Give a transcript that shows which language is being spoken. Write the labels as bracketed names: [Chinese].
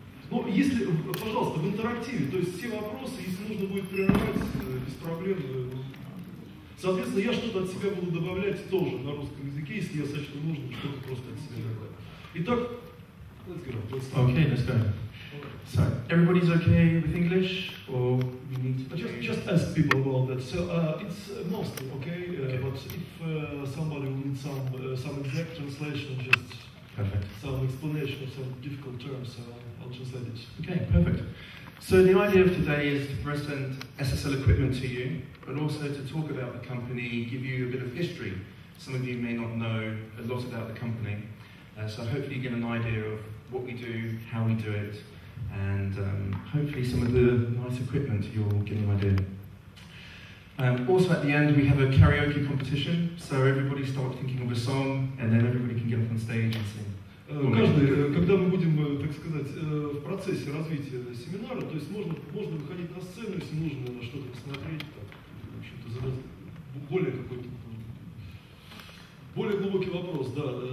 [Russian] Ну, если, пожалуйста, в интерактиве, то есть все вопросы, если нужно будет прерывать, без проблем. Соответственно, я что-то от себя буду добавлять тоже на русском языке, если я сочту нужно, что-то просто от себя добавить. [English] Итак, let's go. Okay, let's go. So, everybody's okay with English, or we need to... Just ask people about that. So, it's mostly okay, but if somebody will need some exact translation, just... Perfect. Some explanation of some difficult terms, I'll translate it. Okay, perfect. So the idea of today is to present SSL equipment to you, but also to talk about the company, give you a bit of history. Some of you may not know a lot about the company, so hopefully you get an idea of what we do, how we do it, and hopefully some of the nice equipment you'll get an idea. Also at the end we have a karaoke competition, so everybody start thinking of a song, and then everybody can get up on stage and sing. [Russian] Когда мы будем, так сказать, в процессе развития семинара, то есть можно выходить на сцену, если нужно на что-то посмотреть, так, в общем-то, задать более какой-то, более глубокий вопрос, да.